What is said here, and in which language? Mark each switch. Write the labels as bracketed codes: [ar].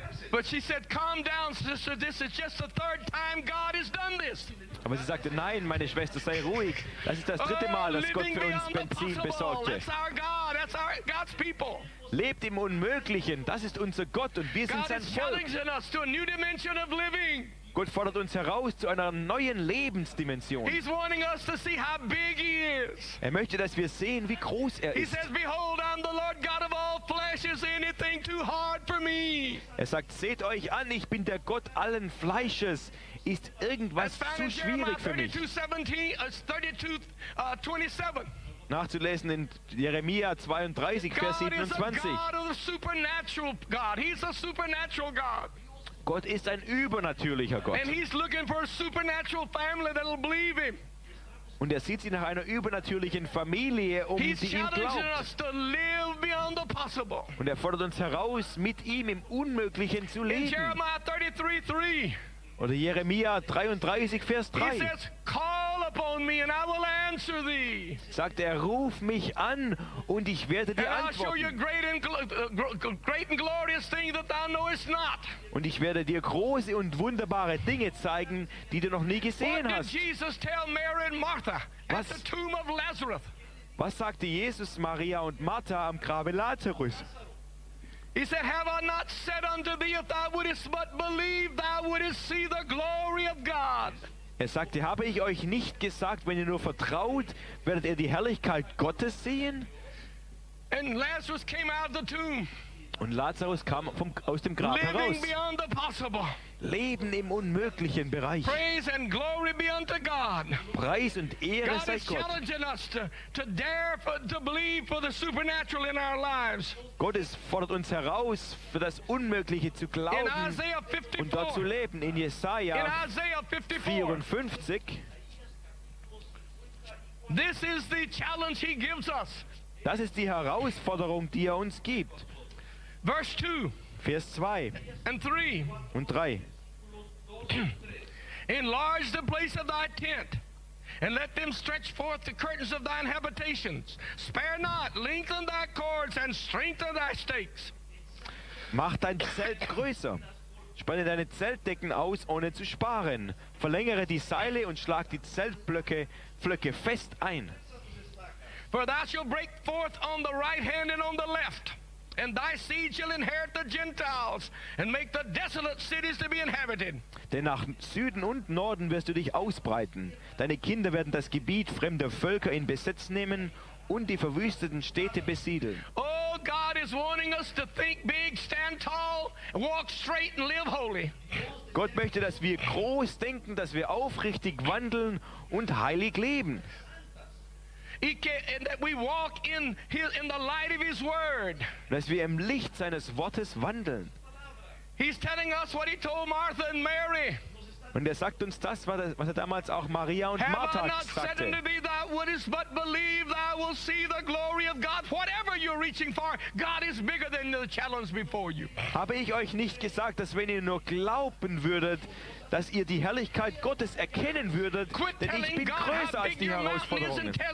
[en] But she said, "Calm down, sister. This is just the third time God has done this." [de] Aber sie sagte, nein, meine Schwester, sei ruhig. Das ist das dritte Mal, dass Gott für uns Benzin besorgte. [en] That's our God. That's our God's people. [de] Lebt im Unmöglichen. Das ist unser Gott und wir sind sein Volk. [en] God is challenging us to a new dimension of living. [de] Gott fordert uns heraus zu einer neuen Lebensdimension. [en] He's wanting us to see how big he is. [de] Er möchte, dass wir sehen, wie groß er [en] he [de] ist. [en] He says, "Behold, I'm the Lord God of all flesh. Is anything too hard for me?" [de] Er sagt, seht euch an, ich bin der Gott allen Fleisches. Ist irgendwas zu schwierig für mich? 32:27. Nachzulesen in Jeremia 32, Vers 27. [en] God is a God of the supernatural God. He's a supernatural God. [de] Gott ist ein übernatürlicher Gott. [en] And he's looking for a supernatural family that'll believe him. [de] Und er sieht sie nach einer übernatürlichen Familie, um [en] he's [de] die ihm glaubt. [en] Us to live beyond the possible. [de] Und er fordert uns heraus, mit ihm im Unmöglichen zu leben. In Jeremia 33:3. Oder Jeremia 33, Vers 3. [en] He says, "Call upon me and I will answer thee." [de] Sagt er, ruf mich an und ich werde dir [en] and [de] antworten. [en] I'll show you great and glorious thing that thou knowest not. [de] Und ich werde dir große und wunderbare Dinge zeigen, die du noch nie gesehen [en] what [de] hast. [en] Did Jesus tell Mary and Martha at the tomb of Lazarus? [de] Was sagte Jesus Maria und Martha am Grabe Lazarus? [en] He said, "Have I not said unto thee, if thou wouldest but believe, thou wouldest see the glory of God?" [de] Er sagte, habe ich euch nicht gesagt, wenn ihr nur vertraut, werdet ihr die Herrlichkeit Gottes sehen? [en] And Lazarus came out of the tomb. [de] Und Lazarus kam aus dem Grab [en] living [de] heraus. [en] Beyond the possible. [de] Leben im unmöglichen Bereich. [en] Praise and glory be unto God. [de] Preis und Ehre [en] God [de] sei Gott. [en] God is challenging us to dare to believe for the supernatural in our lives. [de] Gott fordert uns heraus, für das Unmögliche zu glauben [en] in Isaiah 54, [de] und dort zu leben. In Jesaja 54. [en] This is the challenge he gives us. [de] Das ist die Herausforderung, die er uns gibt. [en] Verse 2. [de] Vers 2 [en] and 3. [de] Und 3. [en] Enlarge the place of thy tent, and let them stretch forth the curtains of thine habitations. Spare not, lengthen thy cords, and strengthen thy stakes. [de] Mach dein Zelt größer. Spanne deine Zeltdecken aus, ohne zu sparen. Verlängere die Seile und schlag die Zeltpflöcke fest ein. [en] For thou shalt break forth on the right hand and on the left. And thy seed shall inherit the Gentiles, and make the desolate cities to be inhabited. [de] Denn nach Süden und Norden wirst du dich ausbreiten. Deine Kinder werden das Gebiet fremder Völker in Besitz nehmen und die verwüsteten Städte besiedeln. [en] Oh, God is wanting us to think big, stand tall, walk straight, and live holy. [de] Gott möchte, dass wir groß denken, dass wir aufrichtig wandeln und heilig leben. [en] And that we walk in the light of his word. [de] Dass wir im Licht seines Wortes wandeln. [en] He's telling us what he told Martha and Mary. [de] Und er sagt uns das, was er damals auch Maria und Martha sagte. [en] Have I not said unto thee, thou wouldest but believe, thou will see the glory of God. Whatever you're reaching for, God is bigger than the challenge before you. [de] Habe ich euch nicht gesagt, dass wenn ihr nur glauben würdet, dass ihr die Herrlichkeit Gottes erkennen würdet, denn ich bin größer als die Herausforderungen.